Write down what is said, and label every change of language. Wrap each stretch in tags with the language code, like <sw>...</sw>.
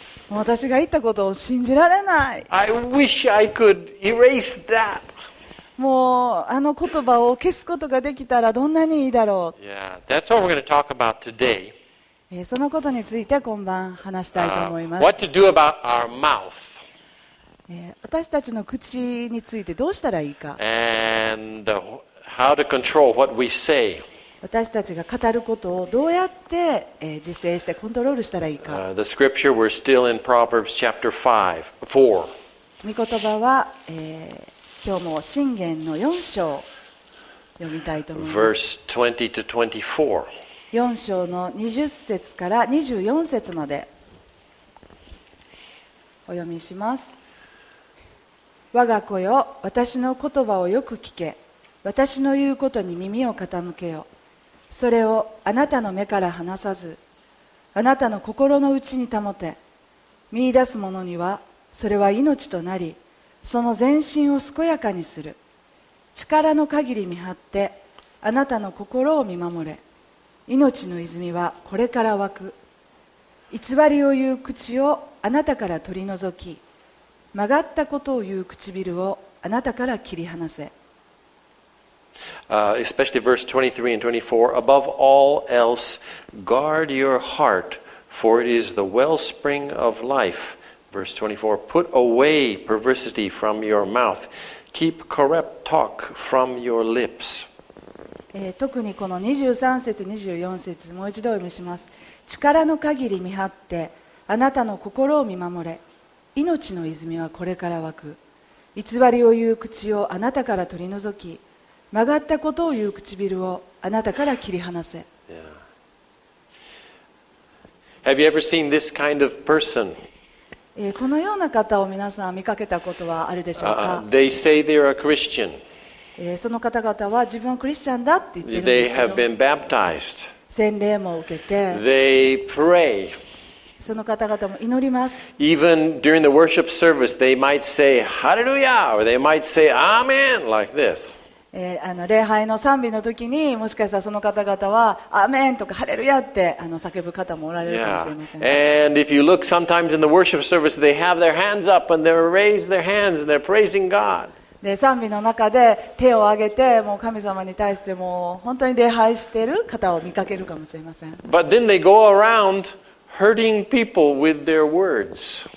<ja>私が言ったことを信じられない。</ja> <en>I wish I could erase that.</en> <ja>もうあの言葉を消すことができたらどんなにいいだろう。</ja> <en>Yeah, that's what we're going to talk about today.</en> <ja>そのことについて今晩話したいと思います。</ja> <en>What to do about our mouth?</en> <ja>私たちの口についてどうしたらいいか。</ja> <en>And how to control what we say.</en> <ja>私たちが語ることをどうやって、自制してコントロールしたらいいか。</ja> <en>The scripture we're still in Proverbs chapter 4.</en> <ja>御言葉は、今日も箴言の4章読みたいと思います。</ja> <en>Verse 20 to 24.</en> <ja>4章の20節から24節までお読みします。我が子よ、私の言葉をよく聞け。私の言うことに耳を傾けよ。それをあなたの目から離さず、あなたの心の内に保て。見出す者にはそれは命となり、その全身を健やかにする。力の限り見張ってあなたの心を見守れ。命の泉はこれから湧く。偽りを言う口をあなたから取り除き、曲がったことを言う唇をあなたから切り離せ。</ja> <en>Especially verse 23 and 24. Above all else, guard your heart, for it is the wellspring of life. Verse 24. Put away perversity from your mouth. Keep corrupt talk from your lips.</en> <ja>特にこの23節24節もう一度読みします。力の限り見張ってあなたの心を見守れ。命の泉はこれから湧く。偽りを言う口をあなたから取り除き、曲がったことを言う唇をあなたから切り離せ。</ja> <en>Have you ever seen this kind of person?</en> <ja>このような方を皆さん見かけたことはあるでしょうか。</ja> <en>They say they're a Christian</en> <ja>その方々は自分はクリスチャンだって言ってるんですけど、</ja> <en>They have been baptized.</en> <ja>洗礼も受けて、</ja> <en>They pray.</en> <ja>その方々も祈ります。</ja> <en>Even during the worship service, they might say Hallelujah or they might say Amen like this.</en> <ja>礼拝の賛美の時にもしかしたらその方々はアーメンとかハレルヤって叫ぶ方もおられるかもしれません。</ja> <en>Yeah. And if you look sometimes in the worship service, they have their hands up and they raise their hands and they're praising God.</en> <ja>で賛美の中で手を挙げてもう神様に対してもう本当に礼拝している方を見かけるかもしれません。</ja> <en>But then they go around hurting people with their words.</en>